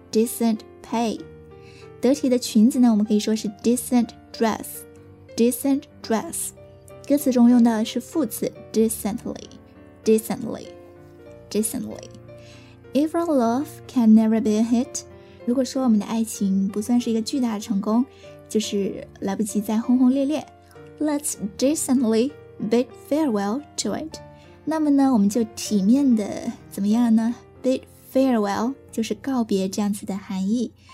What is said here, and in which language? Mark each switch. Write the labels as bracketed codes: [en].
[en] decent pay， [zh] 得体的裙子呢我们可以说是 [en] decent dress decent dress。 [zh] 歌词中用到的是副词 decently decently decently。 [en] If our love can never be a hit， [zh] 如果说我们的爱情不算是一个巨大的成功，就是来不及再轰轰烈烈。 [en] Let's decently bid farewell to it. [zh] 那么呢，我们就体面的怎么样呢 ？ [en] Bid farewell [zh] 就是告别这样子的含义。